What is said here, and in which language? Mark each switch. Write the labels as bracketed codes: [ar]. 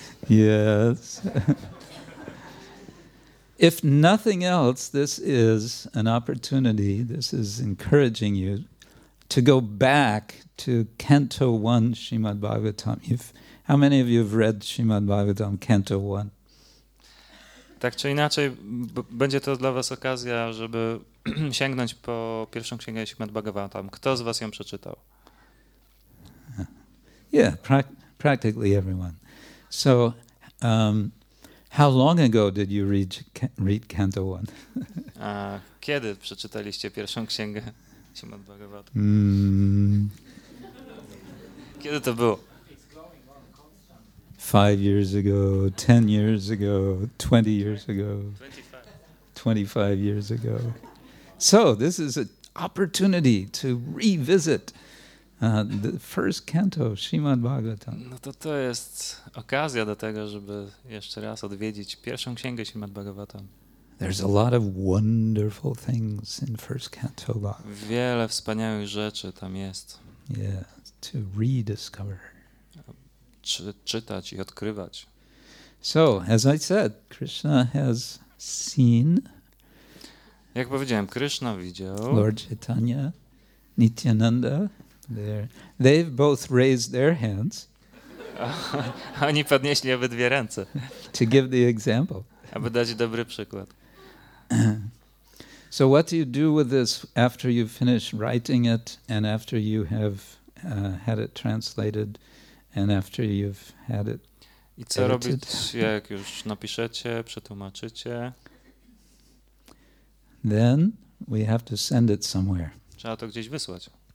[en] Yes. If nothing else, this is an opportunity, this is encouraging you to go back to Canto 1, Srimad Bhagavatam. How many of you have read Srimad Bhagavatam, Canto 1? [pl] Tak czy inaczej, będzie to dla was okazja, żeby sięgnąć po pierwszą księgę Srimad Bhagavatam. Kto z was ją przeczytał? [en] Yeah, practically everyone. So, how long ago did you read Canto 1? [pl] A kiedy przeczytaliście pierwszą księgę Srimad Bhagavatam? Kiedy to było? [en] 5 years ago, 10 years ago, 20 years ago, 25 years ago. So this is an opportunity to revisit the first canto Srimad Bhagavatam. [pl] No to jest okazja do tego, żeby jeszcze raz odwiedzić pierwszą księgę Srimad Bhagavatam. [en] There's a lot of wonderful things in first canto Bhagavatam. [pl] Wiele wspaniałych rzeczy tam jest. [en] Yeah, to rediscover. [pl] Czytać i odkrywać. [en] So, as I said, Krishna has seen. [pl] Jak powiedziałem, Krishna widział. [en] Lord Chaitanya, Nityananda, there. They've both raised their hands. [pl] Oni podnieśli obydwie ręce. [en] To give the example. [pl] Aby dać dobry przykład. [en] So what do you do with this after you finish writing it and after you have had it translated and after you've had it edited? [pl] I co robić, jak już napiszecie, przetłumaczycie? [en] Then we have to send it somewhere. [pl] Trzeba to gdzieś wysłać.